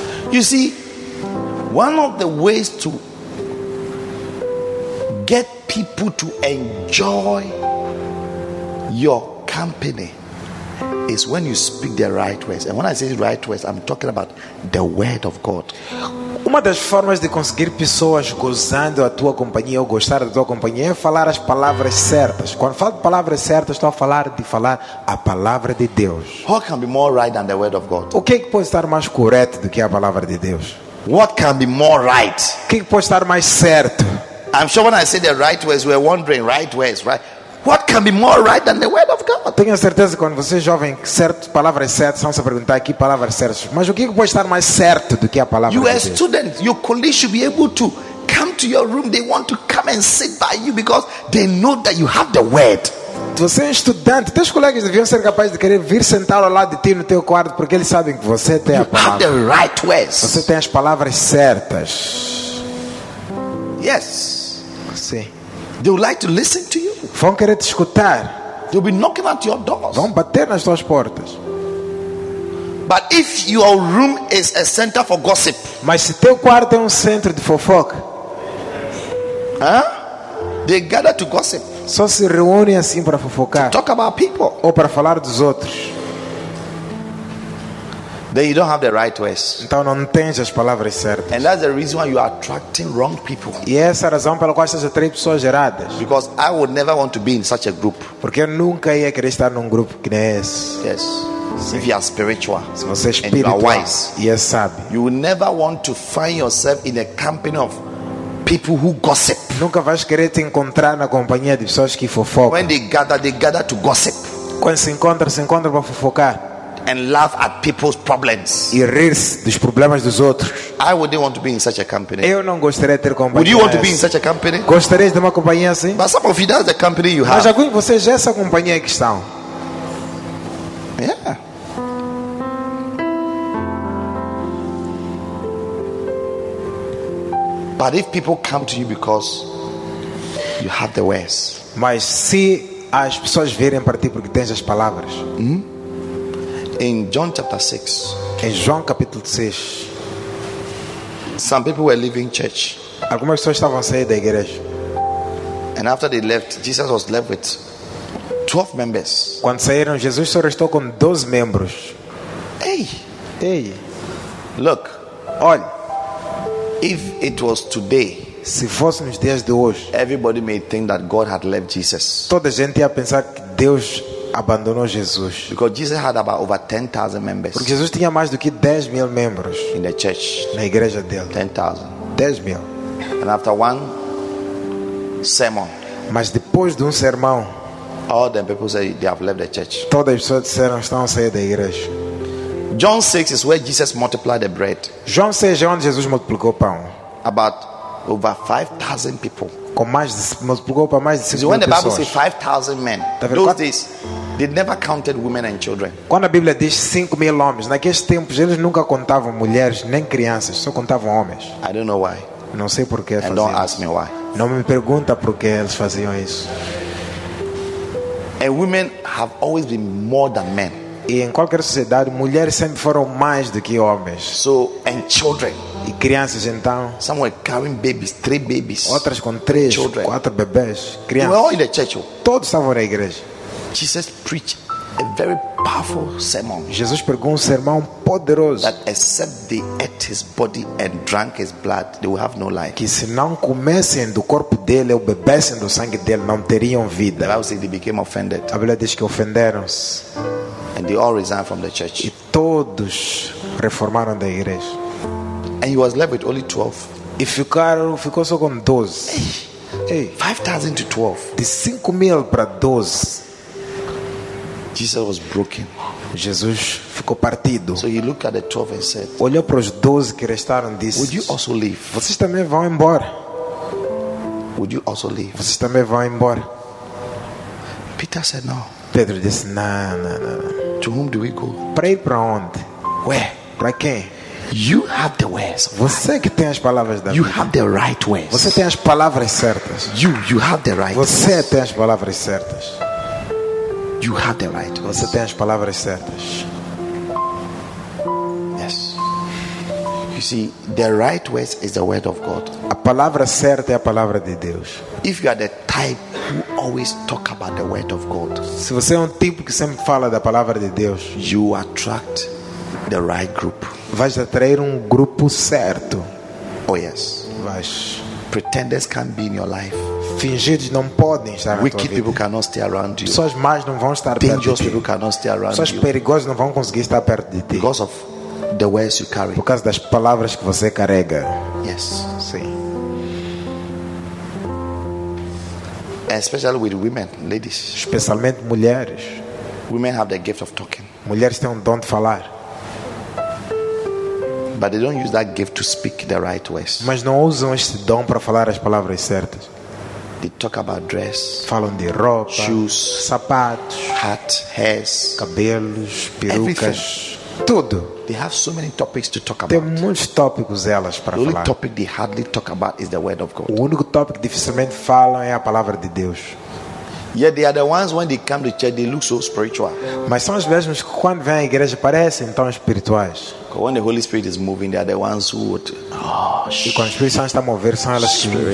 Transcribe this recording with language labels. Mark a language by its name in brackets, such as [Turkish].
[English] You see, one of the ways to get people to enjoy your company is when you speak the right words. And when I say right words, I'm talking about the word of God. [Portuguese] Uma das formas de conseguir pessoas gozando da tua companhia ou gostar da tua companhia é falar as palavras certas. Quando falo de palavras certas, estou a falar de falar a palavra de Deus. [English] What can be more right than the word of God? [Portuguese] O que é que pode estar mais correto do que a palavra de Deus? [English] What can be more right? [Portuguese] O que é que pode estar mais certo? [English] I'm sure when I say the right words, we're wondering right words, right? What can be more right than the word of God? [Portuguese] Tenho certeza que quando você jovem, certo, palavras certas, são se perguntar aqui palavras certas. Mas o que pode estar mais certo do que a palavra you de Deus? [English] You are student, your colleagues should be able to come to your room. They want to come and sit by you because they know that you have the word. [Portuguese] Você é estudante, teus colegas deviam ser capazes de querer vir sentar ao lado de ti no teu quarto porque eles sabem que você tem you a palavra. [English] You have the right words. [Portuguese] Você tem as palavras certas. [English] Yes. [Portuguese] Sim. [English] They would like to listen to you. [Portuguese] Vão querer te escutar. [English] They'll be knocking at your doors. [Portuguese] Vão bater nas tuas portas. [English] But if your room is a center for gossip. [Portuguese] Mas se teu quarto é centro de fofoca. [English] Huh? They gather to gossip. [Portuguese] Só se reúnem assim para fofocar. [English] To talk about people. [Portuguese] Ou para falar dos outros. [English] Then you don't have the right words. [Portuguese] Então não tens as palavras certas. [English] And that's the reason why you are attracting wrong people. [Portuguese] E essa é a razão pela qual estás atraindo pessoas erradas. [English] Because I would never want to be in such a group. [Portuguese] Porque eu nunca ia querer estar num grupo que nem esse. [English] Yes. [Portuguese] Sim. [English] If you are spiritual, [Portuguese] se você é espiritual, [English] and you are wise, [Portuguese] e é sábio, [English] you will never want to find yourself in a company of people who gossip. [Portuguese] Nunca vais querer te encontrar na companhia de pessoas que fofocam. [English] When they gather to gossip. [Portuguese] Quando se encontram para fofocar. [English] And laugh at people's problems. [Portuguese] E rir-se dos problemas dos outros. [English] I wouldn't want to be in such a company. [Portuguese] Eu não gostaria de ter companhia. [English] Would you want to be in such a company? [Portuguese] Gostarias de uma companhia assim? [English] But some of you, that's the company you have. [Portuguese] Mas alguns de vocês essa companhia que estão. [English] Yeah. But if people come to you because you have the words, [Portuguese] mas se as pessoas virem para ti porque tens as palavras, [English] in John chapter 6, [Portuguese] em João capítulo 6, [English] some people were leaving church. [Portuguese] Algumas pessoas estavam saindo da igreja. [English] And after they left, Jesus was left with 12 members. [Portuguese] Quando saíram, Jesus só restou com 12 membros. [English] Hey, look, [Portuguese] olha, [English] if it was today, [Portuguese] se fosse nos dias de hoje, [English] everybody may think that God had left Jesus. [Portuguese] Toda a gente ia pensar que Deus abandonou Jesus. [English] Because Jesus had about over 10,000 members. [Portuguese] Porque Jesus tinha mais do que 10 mil membros [English] in the church, [Portuguese] na igreja dele. [English] 10,000. [Portuguese] 10 mil. [English] And after one sermon, [Portuguese] mas depois de sermão, [English] all the people say they have left the church. [Portuguese] Todas as pessoas disseram estão a sair da igreja. [English] John 6 is where Jesus multiplied the bread. [Portuguese] João 6 é onde Jesus multiplicou o pão. [English] About over 5,000 people. [Portuguese] Com mais de, multiplicou para mais de 5,000 pessoas. [English] When the Bible says 5,000 men, those days they never counted women and children. [Portuguese] Quando a Bíblia diz 5,000 homens, naqueles tempos eles nunca contavam mulheres nem crianças, só contavam homens. [English] I don't know why. [Portuguese] Não sei por que faziam. [English] Don't ask me why. [Portuguese] Não me pergunta por que eles faziam isso. [English] And women have always been more than men. [Portuguese] E em qualquer sociedade, mulheres sempre foram mais do que homens. [English] So, and children. [Portuguese] E crianças então. [English] Some were carrying babies, three babies. [Portuguese] Outras com três, [English] children. [Portuguese] Quatro bebês, crianças. [English] They were all in the church. [Portuguese] Todos estavam na igreja. [English] Jesus preached a very powerful sermon. [Portuguese] Jesus pregou um sermão poderoso. [English] That except they ate his body and drank his blood, they will have no life. [Portuguese] Que se não comessem do corpo dele ou bebessem do sangue dele, não teriam vida. [English] The Bible says they became offended. [Portuguese] A Bíblia diz que ofenderam-se. [English] And they all resigned from the church. [Portuguese] E todos reformaram da igreja. [English] And he was left with only 12. [Portuguese] E ficaram, ficou só com 12. [English] Hey. 5,000 to 12. [Portuguese] De 5 mil para 12. [English] Jesus was broken. [Portuguese] Jesus ficou partido. [English] So he looked at the 12 and said, [Portuguese] olhou para os 12 que restaram e disse, [English] would you also leave? [Portuguese] Vocês também vão embora? [English] Would you also leave? [Portuguese] Vocês também vão embora? [English] Peter said no. [Portuguese] Pedro disse, não. [English] To whom do we go? [Portuguese] Para ir para onde? [English] Where? [Portuguese] Para quem? [English] You have the words. [Portuguese] Você que tem as palavras da vida. [English] You have the right words. [Portuguese] Você tem as palavras certas. [English] You have the right. [Portuguese] Você tem as palavras certas. [English] You have the right. [Portuguese] Você tem as palavras certas. [English] Yes. You see, the right words is the word of God. [Portuguese] A palavra certa é a palavra de Deus. [English] If you are the type who always talk about the word of God, [Portuguese] se você é tipo que sempre fala da palavra de Deus, [English] you attract the right group. [Portuguese] Vais atrair grupo certo. [English] Oh yes. [Portuguese] Vais. [English] Pretenders can't be in your life. [Portuguese] Fingidos não podem estar. [English] Wicked [Portuguese] na tua [English] people cannot stay around you. [Portuguese] Pessoas más não vão estar perto de ti. [English] Dangerous people cannot stay around you. [Portuguese] Perigosos não vão conseguir estar perto de ti. [English] Because of the words you carry. [Portuguese] Por causa das palavras que você carrega. [English] Yes. [Portuguese] Sim. [English] Especially with women, ladies. [Portuguese] Especialmente mulheres. [English] Women have the gift of talking. [Portuguese] Mulheres têm dom de falar. [English] But they don't use that gift to speak the right words. [Portuguese] Mas não usam este dom para falar as palavras certas. [English] They talk about dress. [Portuguese] Falam de roupa, [English] shoes, [Portuguese] sapatos, [English] hat, hairs, [Portuguese] cabelos, perucas, [English] everything. [Portuguese] Tudo. [English] They have so many topics to talk about. [Portuguese] Tem muitos tópicos elas para falar. [English] The only topic they hardly talk about is the word of God. [Portuguese] O único tópico que dificilmente falam é a palavra de Deus. [English] Yet they are the ones when they come to church they look so spiritual. [Portuguese] Mas são os mesmos que quando vêm à igreja parecem tão espirituais. [English] When the Holy Spirit is moving, they are the ones who would, [Portuguese] e quando o Espírito Santo está a mover são elas que